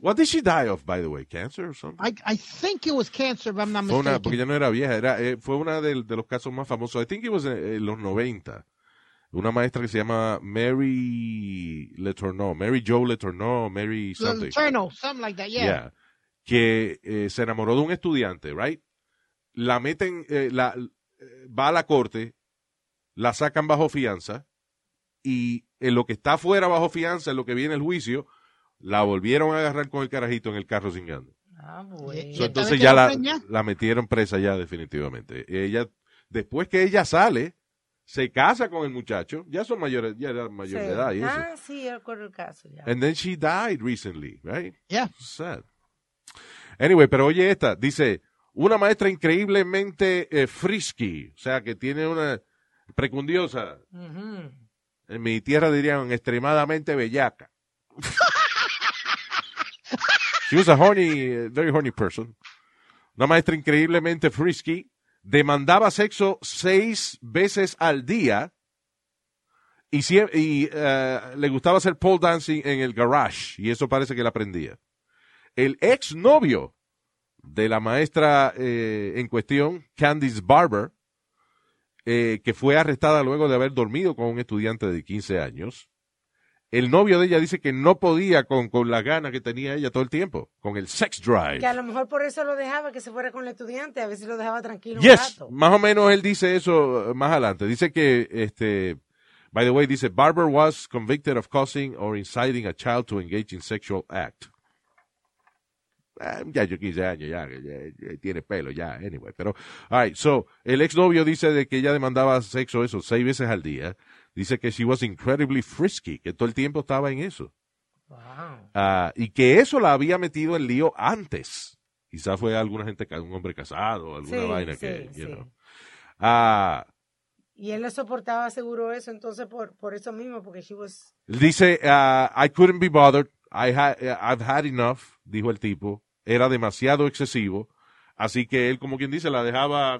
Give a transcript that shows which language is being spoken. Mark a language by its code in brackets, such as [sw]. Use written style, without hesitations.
[en] What did she die of, by the way? Cancer or something? I think it was cancer, but I'm not [es] fue [en] mistaken. [es] Una, porque ya no era vieja. Era, fue una de los casos más famosos. [en] I think it was [es] en los 90. Una maestra que se llama Mary Letourneau. [en] Mary Jo Letourneau, Mary something. Letourneau, something like that, yeah. [es] Yeah. Que se enamoró de un estudiante, right? La meten, va a la corte, la sacan bajo fianza, y en lo que está fuera bajo fianza, en lo que viene el juicio, la volvieron a agarrar con el carajito en el carro cingando. Ah, bueno. So, entonces ya la metieron presa ya definitivamente. Ella, después que ella sale, se casa con el muchacho, ya son mayores, ya era mayor de edad. Y ah, eso. Sí, recuerdo el caso ya. [en] And then she died recently, right? Yeah. Sad. [es] Anyway, pero oye esta, dice, una maestra increíblemente frisky, o sea, que tiene una precundiosa. Mm-hmm. En mi tierra dirían extremadamente bellaca. [en] She was a horny, very horny person. [es] Una maestra increíblemente frisky. Demandaba sexo 6 veces al día. Y le gustaba hacer pole dancing en el garage. Y eso parece que la aprendía. El exnovio de la maestra en cuestión, Candice Barber, que fue arrestada luego de haber dormido con un estudiante de 15 años. El novio de ella dice que no podía con la gana que tenía ella todo el tiempo, con el sex drive. Que a lo mejor por eso lo dejaba, que se fuera con el estudiante, a ver si lo dejaba tranquilo un yes, rato. Más o menos él dice eso más adelante. Dice que, [en] by the way, dice, Barber was convicted of causing or inciting a child to engage in sexual act. [es] Ya yo 15 años, ya tiene pelo, ya, anyway. Pero, [en] all right, so, [es] el exnovio dice de que ella demandaba sexo, eso, 6 veces al día. Dice que [en] she was incredibly frisky, [es] que todo el tiempo estaba en eso. [en] Wow. [es] Y que eso la había metido en lío antes. Quizás fue alguna gente, un hombre casado, alguna sí, vaina sí, que, sí. [en] You know. [es] Y él le soportaba seguro eso, entonces, por eso mismo, porque [en] she was... Dice, I couldn't be bothered. I've had enough, [es] dijo el tipo. Era demasiado excesivo. Así que él, como quien dice, la dejaba